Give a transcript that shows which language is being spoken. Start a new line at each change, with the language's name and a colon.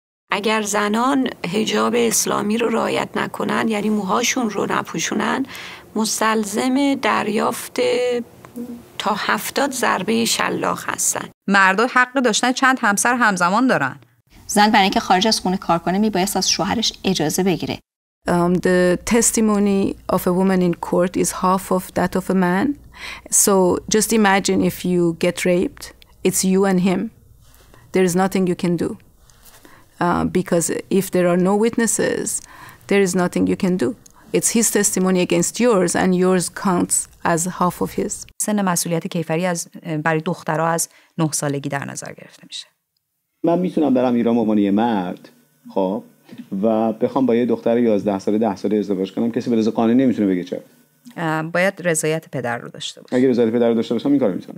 Persian: اگر زنان حجاب اسلامی رو رعایت نکنن، یعنی موهاشون رو نپوشونن، مستلزم دریافت تا 70 ضربه شلاق هستن. مرد حق داشتن چند همسر همزمان دارن. زن برای اینکه خارج از خونه کار کنه میبایست از شوهرش اجازه بگیره.
English: The testimony of a woman in court is half of that of a man. So just imagine if you get raped, it's you and him. There is nothing you can do. Because if there are no witnesses, there is nothing you can do. It's his testimony against yours and yours counts as half of his.
Persian: سن مسئولیت کیفری از برای دخترها از 9 سالگی در نظر گرفته میشه. من میتونم برم ایران به عنوان یه مرد، خب، و بخوام با یه دختر 11 ساله 10 ساله ازدواج کنم، کسی به رضای قانونی نمیتونه بگه چرا. باید رضایت پدر رو داشته باشه. اگه رضایت پدر رو داشته باشم این کارو میتونم.